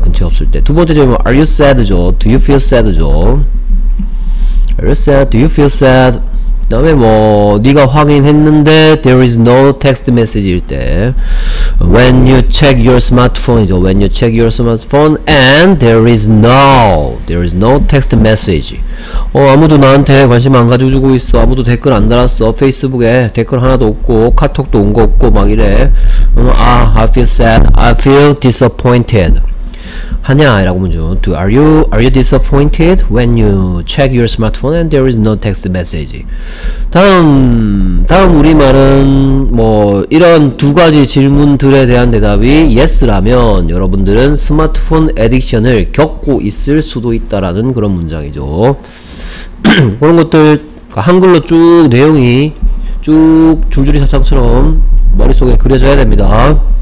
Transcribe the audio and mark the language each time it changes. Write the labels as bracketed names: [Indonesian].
[Korean] 근처에 없을 때 두 번째 질문 [English] are you sad죠? do you feel sad죠? are you sad? do you feel sad? [Korean] 다음에 뭐 네가 확인했는데 [English] there is no text message일 때 when you check your smartphone이죠. When you check your smartphone and there is no text message. [Korean] 아무도 나한테 관심 안 가져주고 있어. 아무도 댓글 안 달았어. 페이스북에 댓글 하나도 없고 카톡도 온거 없고 막 이래. [English] 아, I feel sad. I feel disappointed. [Korean] 하냐? 라고 문제. [English] Are you disappointed when you check your smartphone and there is no text message? [Korean] 다음 우리말은 뭐 이런 두 가지 질문들에 대한 대답이 yes라면 여러분들은 스마트폰 에딕션을 겪고 있을 수도 있다라는 그런 문장이죠. 그런 것들 한글로 쭉 내용이 쭉 줄줄이 사탕처럼 머릿속에 그려져야 됩니다.